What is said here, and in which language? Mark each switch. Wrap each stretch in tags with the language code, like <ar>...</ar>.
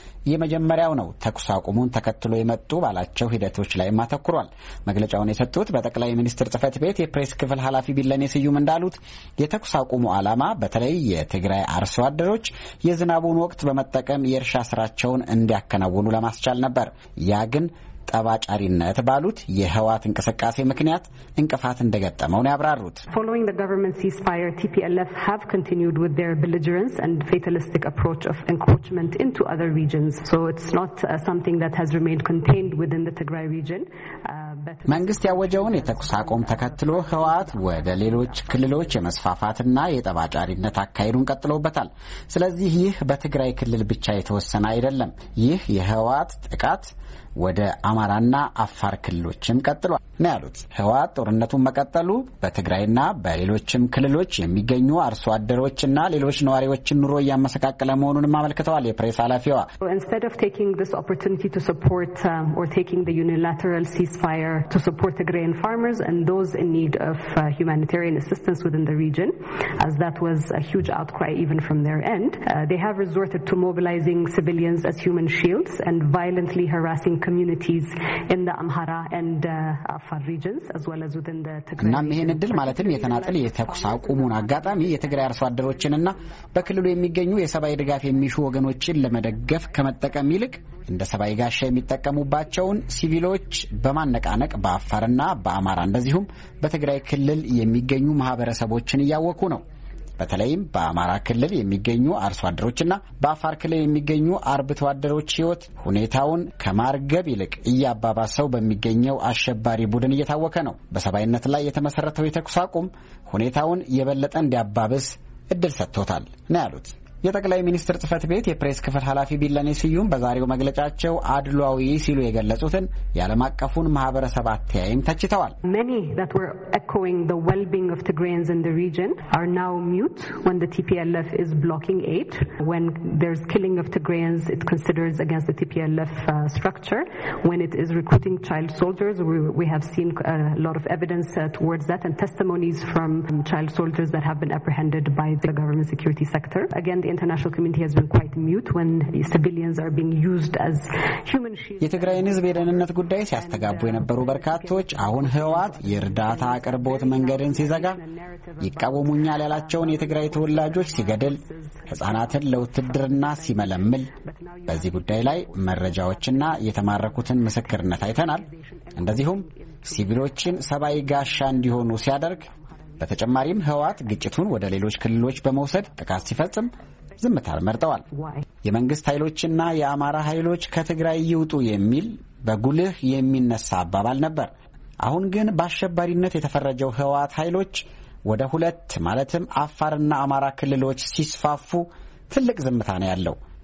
<am>የመጀመሪያው ነው። ተኩስ አቁሙን ተከትሎ የመጡ ባላቸው ሂደቶች ላይ ማተኩሯል። መግለጫውን የሰጡት በጠቅላይ ሚኒስትር ጽህፈት ቤት የፕሬስ ክፍል ኃላፊ ቢለኔ ስዩም እንዳሉት የተኩስ አቁሙ ዓላማ በተለይ የትግራይ አርሶ አደሮች የዝናቡን ወቅት በመጠቀም የእርሻ ስራቸውን እንዲያከናውኑ ለማስቻል ነበር። ያ ግን ጠባጫሪነት ባሉት የህዋት እንቅስቃሴ ምክንያት እንቅፋት እንደገጠመው ነው ያብራሩት።</am> <en>Following the government ceasefire, TPLF have continued with their belligerence and fatalistic approach of encroachment into other regions. So it's not something that has remained contained within the Tigray region.</en> <am>መንግስት ያወጀውን የተኩስ አቁም ተከትሎ ህዋት ወደ ሌሎች ክልሎች የመስፋፋትና የጠባጫሪነት አካሄዱን ቀጥሎበታል። ስለዚህ ይህ በትግራይ ክልል ብቻ የተወሰነ አይደለም። ይህ የህዋት ጥቃት ወደ አማራና አፋር ክልሎችም ቀጥሏል ነው ያሉት። ህዋት ጦርነቱን መቀጠሉ በትግራይና በሌሎችም ክልሎች የሚገኙ አርሶ አደሮችና ሌሎች ነዋሪዎችን ኑሮ ያመሰቃቀለ መሆኑንም አመልክተዋል የፕሬስ ኃላፊዋ።</am> <en>Instead of taking this opportunity to support or taking the unilateral ceasefire to support Tigrayan farmers and those in need of humanitarian assistance within the region, as that was a huge outcry even from their end, they have resorted to mobilizing civilians as human shields and violently harassing communities in the Amhara and Afar regions as well as within the Tigray.</en> <am>እና ምን እድል ማለትም የተናጠል የተኩስ አቁሙን አጋጣሚ የትግራይ አርሶ አደሮችንና በክልሉ የሚገኙ የሰብአዊ ድጋፍ የሚሹ ወገኖችን ለመደገፍ ከመጠቀም ይልቅ እንደ ሰብአዊ ጋሻ የሚጠቀሙባቸውን ሲቪሎች በማነቃነቅ በአፋርና በአማራ እንደዚሁም በትግራይ ክልል የሚገኙ ማህበረሰቦችን ያወቁ ነው። በተለይም በአማራ ክልል የሚገኙ አርሶ አደሮችና በአፋር ክልል የሚገኙ አርብቶ አደሮች ህይወት ሁኔታውን ከማርገብ ይልቅ እያባባሰው በሚገኘው አሸባሪ ቡድን እየታወከ ነው። በሰባይነት ላይ የተመሰረተው የተኩስ አቁም ሁኔታውን የበለጠ እንዲያባብስ እድል ሰጥቷል ነው ያሉት። የጠቅላይ ሚኒስትር ጽፈት ቤት የፕሬስ ክፍል ኃላፊ ቢለኔ ስዩም በዛሬው መግለጫቸው አድሏዊ ሲሉ የገለጹትን ያለም አቀፉን ማህበረሰብ አተያይም ተችተዋል።</am> <en>Many that were echoing the well-being of Tigrayans in the region are now mute when the TPLF is blocking aid, when there's killing of Tigrayans it considers against the TPLF structure, when it is recruiting child soldiers we have seen a lot of evidence towards that and testimonies from child soldiers that have been apprehended by the government security sector. Again, the international community has been quite mute when civilians are being used as human shields.</en> <am>የትግራይ ህዝብ የደህንነት ጉዳይ ሲያስተጋቡ የነበሩ በርካቶች አሁን ህዋት የርዳታ አቅርቦት መንገድን ሲዘጋ ይቃወሙኛል ያላቸውን የትግራይ ተወላጆች ሲገድል ህፃናትን ለውትድርና ሲመለምል በዚህ ጉዳይ ላይ መረጃዎችና የተማረኩትን ምስክርነት አይተናል። እንደዚሁም ሲቪሎችን ሰባይ ጋሻ እንዲሆኑ ሲያደርግ በተጨማሪም ህዋት ግጭቱን ወደ ሌሎች ክልሎች በመውሰድ ጥቃት ሲፈጽም ዝምታል መርጠዋል። የመንግስት ኃይሎችና የአማራ ኃይሎች ከትግራይ ይውጡ የሚል በጉልህ የሚነሳ አባባል ነበር። አሁን ግን በአሸባሪነት የተፈረጀው ህዋት ኃይሎች ወደ ሁለት ማለትም አፋርና አማራ ክልሎች ሲስፋፉ ትልቅ ዝምታ ነው ያለው።</am>